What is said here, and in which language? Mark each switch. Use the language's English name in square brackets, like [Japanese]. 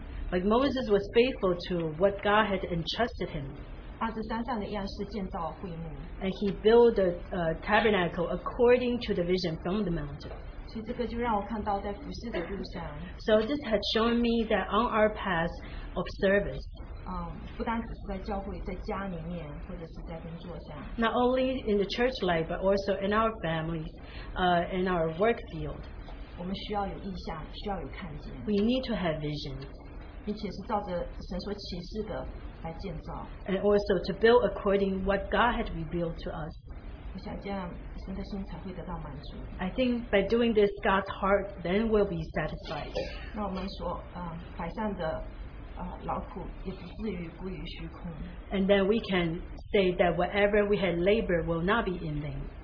[English] But Moses was faithful to what God had entrusted him. And he built the tabernacle according to the vision from the mountain. So this had shown me that on our path of service, [Chinese] 不单只是在教会，在家里面，或者是在工作上。 [English] Not only in the church life, but also in our families, in our work field. [Chinese] 我们需要有意向，需要有看见。 [English] We need to have vision. [Chinese] 并且是照着神所启示的来建造。 [English] And also to build according what God had revealed to us. [Chinese] 我想这样，神的心才会得到满足。 [English] I think by doing this, God's heart then will be satisfied. [Chinese] 那我们所摆上的 [English] And then we can say that whatever we had labored will not be in vain.